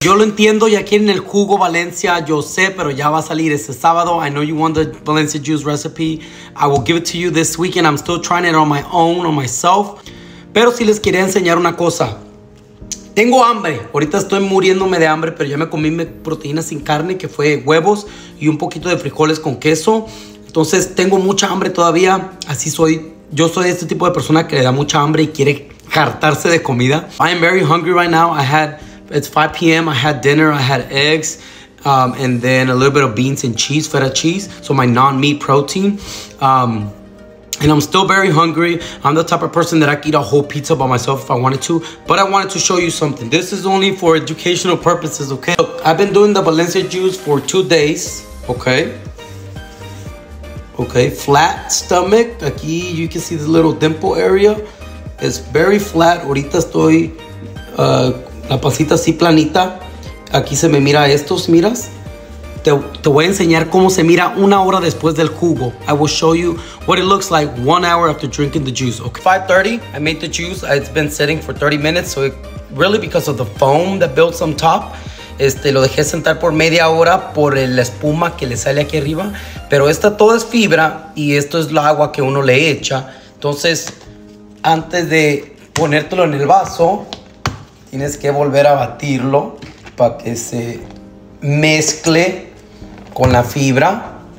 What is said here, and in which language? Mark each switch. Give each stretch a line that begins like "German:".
Spanish: Yo lo entiendo, ya quieren el jugo Valencia, yo sé, pero ya va a salir este sábado.
English: I know you want the Valencia juice recipe. I will give it to you this weekend. I'm still trying it on my own, on myself.
Spanish: Pero sí les quería enseñar una cosa. Tengo hambre. Ahorita estoy muriéndome de hambre, pero ya me comí mi proteína sin carne, que fue huevos y un poquito de frijoles con queso. Entonces, tengo mucha hambre todavía. Así soy. Yo soy este tipo de persona que le da mucha hambre y quiere hartarse de comida.
English: I am very hungry right now. It's 5 p.m. I had dinner. I had eggs and then a little bit of beans and cheese, feta cheese. So my non-meat protein. And I'm still very hungry. I'm the type of person that I could eat a whole pizza by myself if I wanted to. But I wanted to show you something. This is only for educational purposes, okay? Look, I've been doing the Valencia juice for 2 days, okay? Okay, flat stomach. Aquí you can see the little dimple area. It's very flat.
Spanish: Ahorita estoy... La pasita así planita. Aquí se me mira estos, miras. Te voy a enseñar cómo se mira una hora después del jugo.
English: I will show you what it looks like 1 hour after drinking the juice. Okay. 5:30, I made the juice. It's been sitting for 30 minutes. So it, really because of the foam that builds on top.
Spanish: Lo dejé sentar por media hora por la espuma que le sale aquí arriba. Pero esta todo es fibra y esto es la agua que uno le echa. Entonces, antes de ponértelo en el vaso, tienes que volver a batirlo para que se mezcle con la fibra.